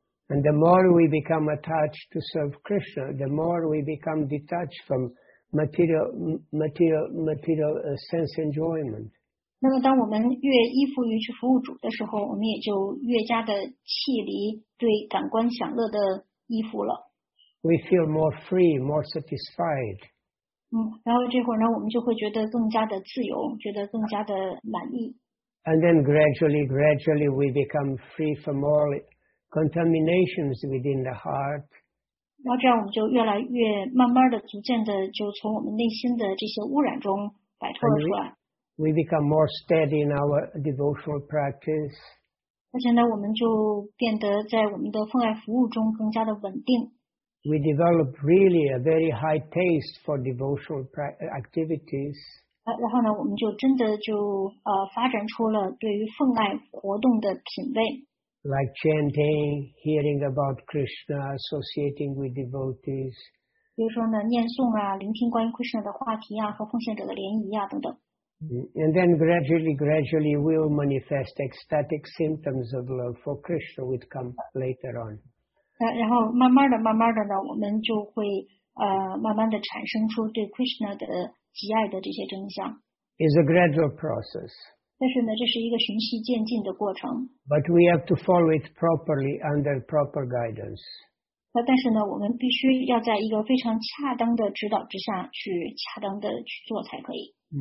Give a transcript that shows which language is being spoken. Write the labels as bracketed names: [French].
[English] And the more we become attached to serve Krishna, the more we become detached from material sense enjoyment. [Chinese] 那么当我们越依附于去服务主的时候，我们也就越加的弃离对感官享乐的依附了。 [English] We feel more free, more satisfied. [Chinese] 然后这会儿呢，我们就会觉得更加的自由，觉得更加的满意。 [English] And then gradually we become free from all contaminations within the heart. [Chinese] 然后这样我们就越来越慢慢的逐渐的就从我们内心的这些污染中摆脱了出来。 [English] We become more steady in our devotional practice. [Chinese] 而且呢，我们就变得在我们的奉爱服务中更加的稳定。 [English] We develop really a very high taste for devotional activities. [Chinese] 然后呢，我们就真的就发展出了对于奉爱活动的品味。 [English] Like chanting, hearing about Krishna, associating with devotees. [Chinese] 比如说呢，念诵啊，聆听关于 Krishna 的话题啊，和奉献者的联谊啊，等等。 [English] And then gradually, we'll manifest ecstatic symptoms of love for Krishna, which come later on. [Chinese] 然后慢慢的呢，我们就会慢慢的产生出对 Krishna 的极爱的这些真相。 [English] It's a gradual process. [Chinese] 但是呢，这是一个循序渐进的过程。 [English] But we have to follow it properly under proper guidance. [Chinese] 那但是呢，我们必须要在一个非常恰当的指导之下去恰当的去做才可以。